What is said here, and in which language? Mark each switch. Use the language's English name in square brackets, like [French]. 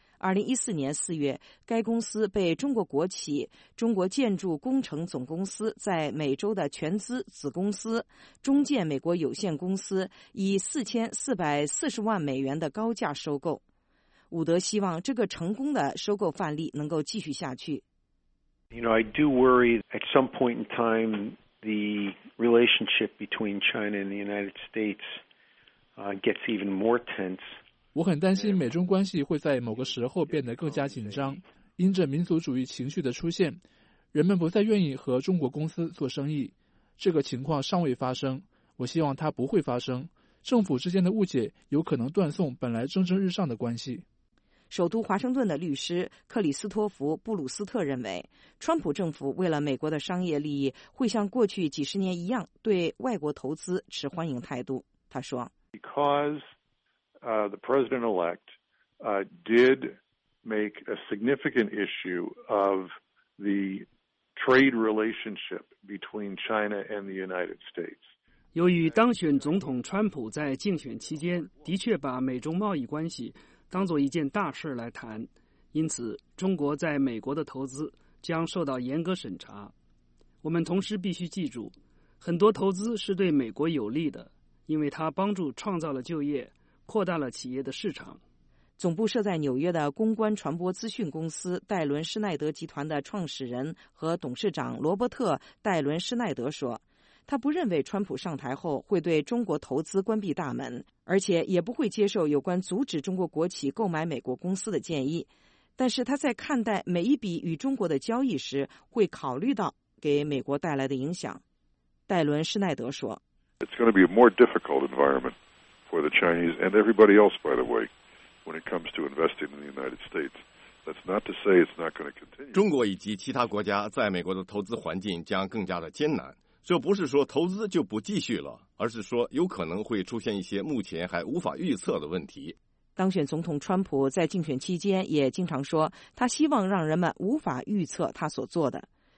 [Chinese] 2014年4月，该公司被中国国企中国建筑工程总公司在美洲的全资子公司中建美国有限公司以$4,440万的高价收购。伍德希望这个成功的收购范例能够继续下去。 [English] You know, I do worry at some point in time. The relationship between China and the United States gets even more tense. [Chinese] 我很担心美中关系会在某个时候变得更加紧张。因着民族主义情绪的出现，人们不再愿意和中国公司做生意。这个情况尚未发生，我希望它不会发生。政府之间的误解有可能断送本来蒸蒸日上的关系。首都华盛顿的律师克里斯托弗·布鲁斯特认为，川普政府为了美国的商业利益，会像过去几十年一样对外国投资持欢迎态度。他说 [English] ：“Because the president-elect did make a significant issue of the trade relationship between China and the United States.” [Chinese] 由于当选总统川普在竞选期间的确把美中贸易关系当作一件大事来谈，因此中国在美国的投资将受到严格审查。我们同时必须记住，很多投资是对美国有利的，因为它帮助创造了就业，扩大了企业的市场。总部设在纽约的公关传播资讯公司戴伦·施奈德集团的创始人和董事长罗伯特·戴伦·施奈德说，他不认为川普上台后会对中国投资关闭大门，而且也不会接受有关阻止中国国企购买美国公司的建议。但是他在看待每一笔与中国的交易时，会考虑到给美国带来的影响。戴伦·施奈德说 [English] ：“It's going to be a more difficult environment for the Chinese and everybody else, by the way, when it comes to investing in the United States.” That's not to say it's not going to continue. [Chinese] 中国以及其他国家在美国的投资环境将更加的艰难。这不是说投资就不继续了，而是说有可能会出现一些目前还无法预测的问题。当选总统川普在竞选期间也经常说，他希望让人们无法预测他所做的。